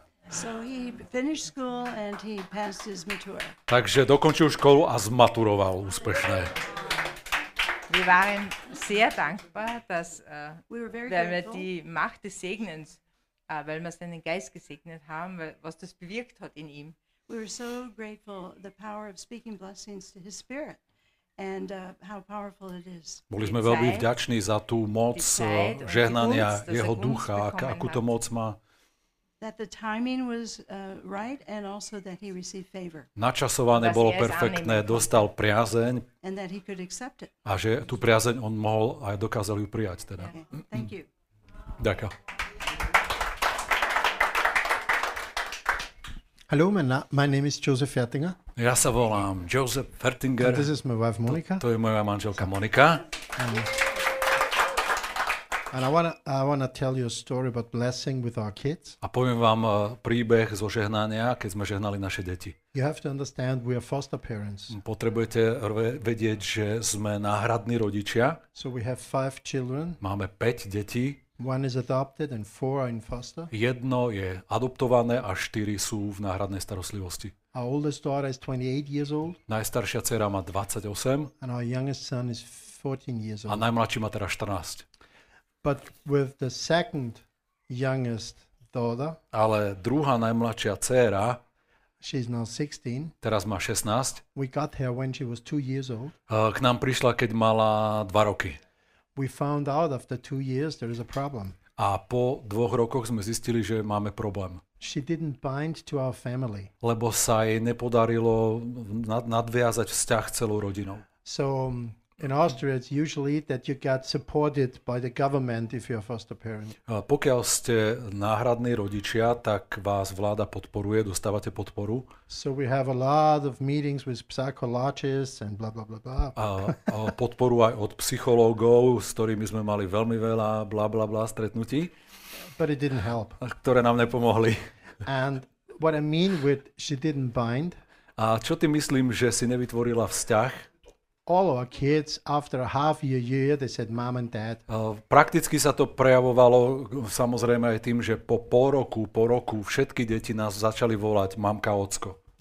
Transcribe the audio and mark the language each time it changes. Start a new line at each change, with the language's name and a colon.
English: So he finished school and he passed his matura.
Slovak: Takže dokončil školu a zmaturoval úspešne.
German: Wir waren sehr dankbar, dass wir die Macht des Segnens, weil wir seinen Geist gesegnet haben, was das bewirkt hat in ihm.
English: We were so grateful the power of speaking blessings to his spirit and how powerful it is.
Slovak: Boli sme veľmi vďační za tú moc žehnania jeho ducha, akú to moc má.
English: That the timing was right and also that he received favor.
Slovak: Načasované bolo perfektné, dostal priazeň.
English: And that he could accept it.
Slovak: A že tú priazeň on mohol aj dokázal ju prijať teda.
English: Okay. Thank you.
Slovak: Ďakujem.
English: Hello, my name is Joseph Fertinger.
Slovak: Ja sa volám Joseph Fertinger.
English: And this is my wife Monica.
Slovak: To je moja manželka Monika.
English: And I want to tell you a story about blessing with our kids.
Slovak: A poviem vám príbeh zo žehnania, keď sme žehnali naše deti.
English: You have to understand we are foster parents.
Slovak: Potrebujete vedieť, že sme náhradní rodičia.
English: So we have 5 children.
Slovak: Máme 5 detí.
English: One is adopted and 4 are in foster.
Slovak: Jedno je adoptované a 4 sú v náhradnej starostlivosti.
English: Our oldest daughter is 28 years old.
Slovak: Najstaršia dcéra má 28.
English: And our youngest son is 14 years old.
Slovak: A najmladší má teraz 14.
English: But with the second youngest daughter.
Slovak: Ale druhá najmladšia dcéra.
English: She is now 16.
Slovak: Teraz má 16.
English: We got her when she was 2 years old.
Slovak: K nám prišla, keď mala 2 roky.
English: We found out after 2 years there is a problem.
Slovak: A po 2 rokoch sme zistili, že máme problém.
English: She didn't bind to our family.
Slovak: Lebo sa jej nepodarilo nadviazať vzťah celou rodinou.
English: So in Austria it's usually that you get supported by the government if you're a foster parent.
Slovak: Pokiaľ ste náhradní rodičia, tak vás vláda podporuje, dostávate podporu.
English: So we have a lot of meetings with psychologists and blah blah blah blah.
Slovak: Podporu aj od psychológov, s ktorými sme mali veľmi veľa blah blah blah stretnutí.
English: But it didn't help.
Slovak: Ktoré nám nepomohli.
English: And what I mean with she didn't bind.
Slovak: A čo ty myslím, že si nevytvorila vzťah?
English: All our kids after a half a year they said mom and dad.
Slovak: Prakticky sa to prejavovalo samozrejme aj tým, že po pol roku všetky deti nás začali volať mamka, ocko.